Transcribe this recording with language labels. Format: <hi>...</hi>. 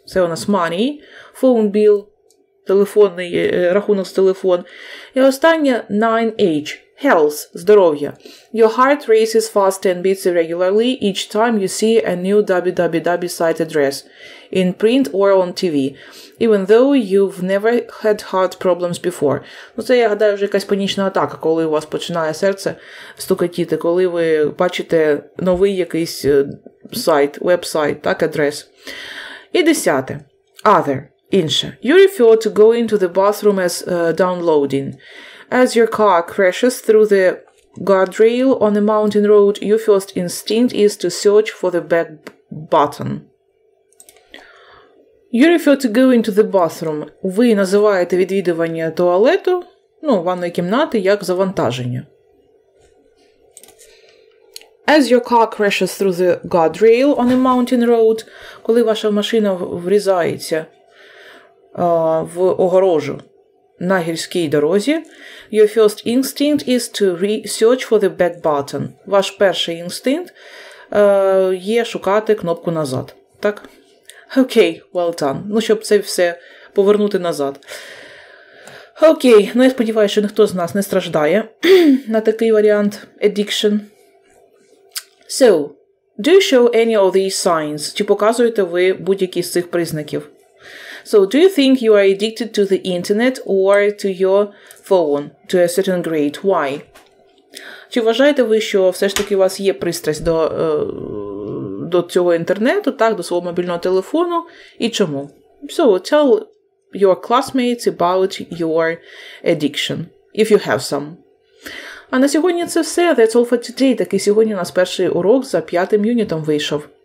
<uk>Це у нас money.</uk> <en>Phone bill,</en> <uk>телефонний, рахунок з телефон. І останнє, 9H. Health, здоров'я.</uk> <en>Your heart races fast and beats irregularly each time you see a new www site address in print or on TV, even though you've never had heart problems before.</en> <uk>Ну, це, я гадаю, вже якась панічна атака, коли у вас починає серце стукатіти, коли ви бачите новий якийсь сайт, веб-сайт, так, адрес. І десяте. Other, інше.</uk> <en>You refer to going to the bathroom as downloading. As your car crashes through the guardrail on a mountain road, your first instinct is to search for the back button. You refer to going to the bathroom.</en> <uk>Ви називаєте відвідування туалету, ну, ванної кімнати, як завантаження.</uk> <en>As your car crashes through the guardrail on a mountain road,</en> <uk>коли ваша машина врізається в огорожу на гірській дорозі,</uk> <en>your first instinct is to search for the back button.</en> <uk>Ваш перший інстинкт є шукати кнопку назад. Так? Окей,</uk> <en>well done.</en> <uk>Ну, щоб це все повернути назад. Окей, ну я сподіваюся, що ніхто з нас не страждає на такий варіант addiction.</uk> <en>So, do you show any of these signs?</en> <uk>Чи показуєте ви будь-які з цих признаків?</uk> <en>So, do you think you are addicted to the internet or to your phone to a certain grade? Why?</en> <uk>Чи вважаєте ви, що все ж таки у вас є пристрасть до цього інтернету, так, до свого мобільного телефону, і чому?</uk> <en>So, tell your classmates about your addiction, if you have some.</en> <uk>А на сьогодні це все.</uk> <en>That's all for today.</en> <uk>Так і сьогодні у нас перший урок за п'ятим юнітом вийшов.</uk>